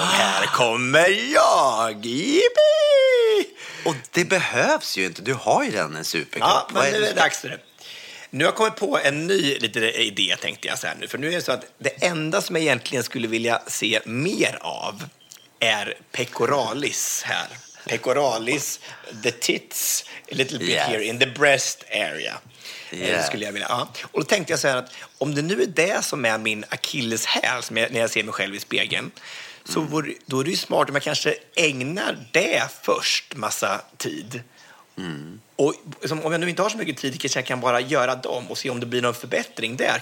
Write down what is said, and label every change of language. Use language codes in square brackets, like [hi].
[sv] Här kommer jag! Yippie! Och det behövs ju inte. Du har ju redan en superkropp. Ja, men nu är det dags för det. Nu har jag kommit på en ny liten idé, tänkte jag så här nu. För nu är det så att det enda som jag egentligen skulle vilja se mer av är pectoralis här. [en] Pectoralis, the tits, a little bit here in the breast area. [sv] Yeah. Skulle jag vilja. Ja. Och då tänkte jag så här att om det nu är det som är min akilleshäl när jag ser mig själv i spegeln, så då är det ju smart om jag kanske ägnar det först massa tid. Mm. Och liksom, om jag nu inte har så mycket tid kanske jag kan bara göra dem och se om det blir någon förbättring där.